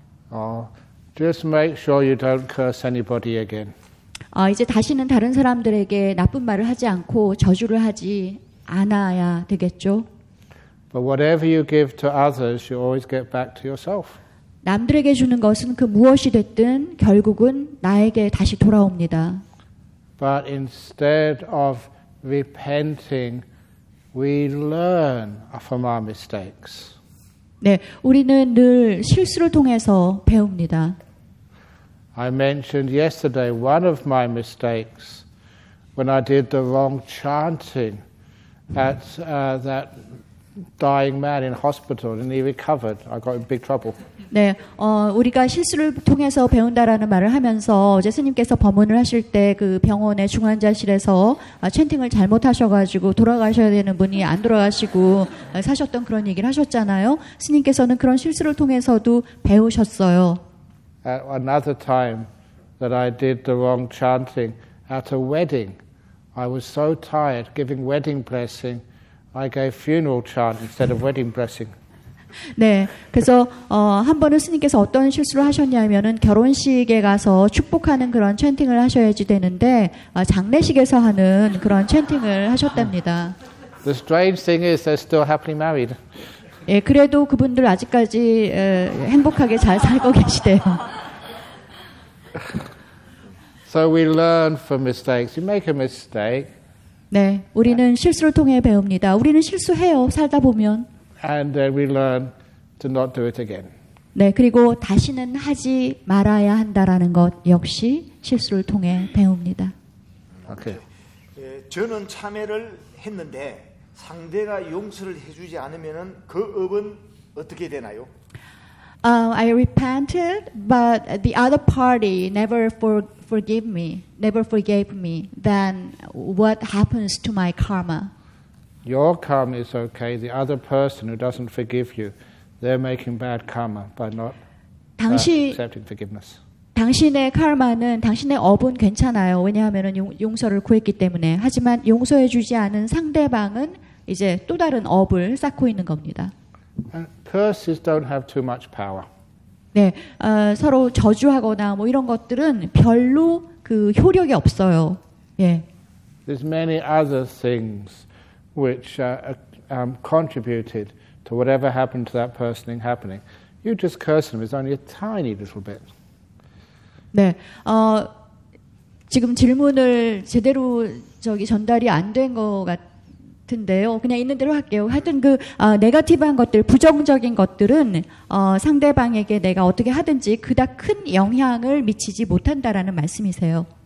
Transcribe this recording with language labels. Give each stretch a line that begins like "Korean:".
English: Oh, just make sure you don't curse anybody again.
Korean: 이제 다시는 다른 사람들에게 나쁜 말을 하지 않고 저주를 하지 않아야 되겠죠.
English: But whatever you give to others, you always get back to yourself.
Korean: 남들에게 주는 것은 그 무엇이 됐든 결국은 나에게 다시 돌아옵니다.
English: But instead of repenting, we learn from our mistakes.
Korean: 네, 우리는 늘 실수를 통해서 배웁니다.
English: I mentioned yesterday one of my mistakes when I did the wrong chanting at that dying man in hospital and he recovered. I got in big trouble.
Korean: 네, 우리가 실수를 통해서 배운다라는 말을 하면서 어제 스님께서 법문을 하실 때 그 병원의 중환자실에서 챈팅을 잘못하셔가지고 돌아가셔야 되는 분이 안 돌아가시고 사셨던 그런 얘기를 하셨잖아요. 스님께서는 그런 실수를 통해서도 배우셨어요.
English: At another time that I did the wrong chanting at a wedding, I was so tired giving wedding blessing, I gave funeral chant instead of wedding blessing.
Korean: 네, 그래서 한 번은 스님께서 어떤 실수를 하셨냐면은 결혼식에 가서 축복하는 그런 챈팅을 하셔야지 되는데 장례식에서 하는 그런 챈팅을 하셨답니다.
English: The strange thing is they're still happily married.
Korean: 예, 그래도 그분들 아직까지 행복하게 잘 살고 계시대요.
English: So we learn from mistakes. You make a mistake.
Korean: 네, 우리는 실수를 통해 배웁니다. 우리는 실수해요. 살다 보면.
English: And then we learn to not do it again.
Korean: 네, 그리고 다시는 하지 말아야 한다라는 것 역시 실수를 통해 배웁니다.
English: Okay.
Korean: 예, 저는 참회를 했는데 상대가 용서를 해주지 않으면은 그 업은 어떻게 되나요?
English: I repented, but the other party never forgive me, never forgave me. Then what happens to my karma? Your karma is okay. The other person who doesn't forgive you, they're making bad karma by not accepting forgiveness.
Korean: 당신의 카르마는 당신의 업은 괜찮아요. 왜냐하면은 용서를 구했기 때문에. 하지만 용서해주지 않은 상대방은 이제 또 다른 업을 쌓고 있는 겁니다. Curses don't have too much power. 네, 서로 저주하거나 뭐 이런 것들은 별로 그 효력이 없어요. 예.
English: There's many other things which contributed to whatever happened to that person happening. You just curse them is only a tiny little bit.
Korean: 네, 지금 질문을 제대로 저기 전달이 안 된 것 같. 근데요. 그냥 있는 대로 할게요. 하여튼 그 네거티브한 것들, 부정적인 것들은 상대방에게 내가 어떻게 하든지 그닥 큰 영향을 미치지 못한다라는 말씀이세요.